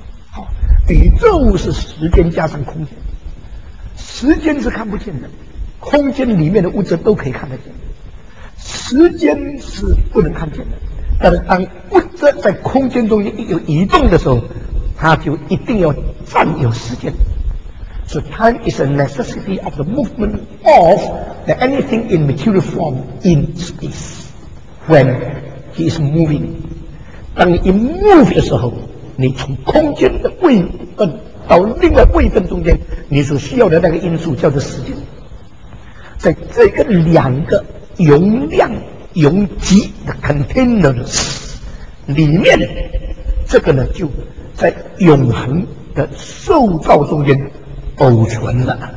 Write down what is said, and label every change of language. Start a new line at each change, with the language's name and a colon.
Chinese: 好，宇宙是时间加上空间，时间是看不见的，空间里面的物质都可以看得见，时间是不能看见的，但是当物质在空间中一有移动的时候，它就一定要占有时间。
English: So time is a necessity of the movement of the anything in material form in space when he is moving.
Chinese: 当你 move 的时候，你从空间的位分到另外位分中间，你所需要的那个因素叫做时间。在这个两个容量容积的 containers 里面，这个呢就在永恒的受造中间偶存了。